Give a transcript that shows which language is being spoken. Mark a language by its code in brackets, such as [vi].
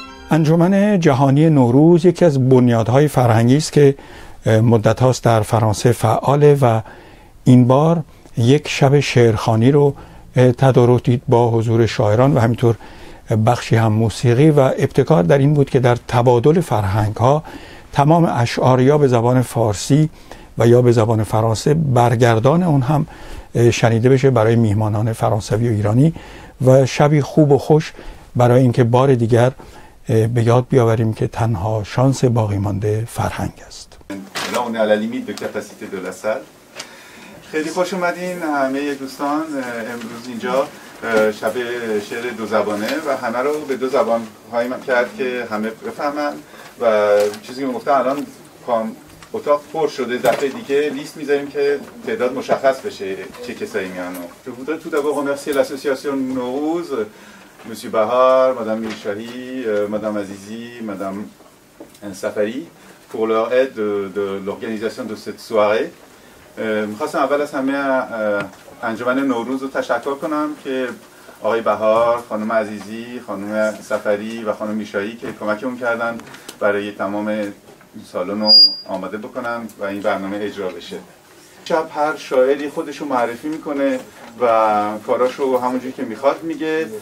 [fa] انجمن جهانی نوروز یکی از بنیادهای فرهنگی است که مدت هاست در فرانسه فعاله و این بار یک شب شعرخوانی رو تدارک دید با حضور شاعران و همینطور بخشی هم موسیقی، و ابتکار در این بود که در تبادل فرهنگ ها تمام اشعار یا به زبان فارسی و یا به زبان فرانسه برگردان اون هم شنیده بشه برای میهمانان فرانسوی و ایرانی، و شبی خوب و خوش برای اینکه بار دیگر به یاد بیاوریم که تنها شانس باقی مانده فرهنگ است. حالا اون على [fr] limite de capacité de la salle. [fa] خیلی خوش اومدین همه دوستان امروز اینجا شب شعر دو زبانه و همه رو به دو زبان هایم کرد که همه بفهمن و چیزی که گفتم الان کام اتاق پر شده. دفعه دیگه لیست میذاریم که تعداد مشخص بشه چه کسایی میانو. [fr] Je voudrais tout d'abord remercier l'association Nowruz, monsieur Bahar, madame Mishahi, madame Azizi, madame Safari pour leur aide de l'organisation de cette soirée. [fa] میخواستم اول از همه انجمن نوروز رو تشکر کنم که آقای بهار، خانم عزیزی، خانم سفری و خانم میشایی که کمکمون کردن برای تمام سالن رو آماده بکنم و این برنامه اجرا بشه. شب هر شاعری خودش رو معرفی میکنه و کاراش رو همونجوری که میخواد میگه.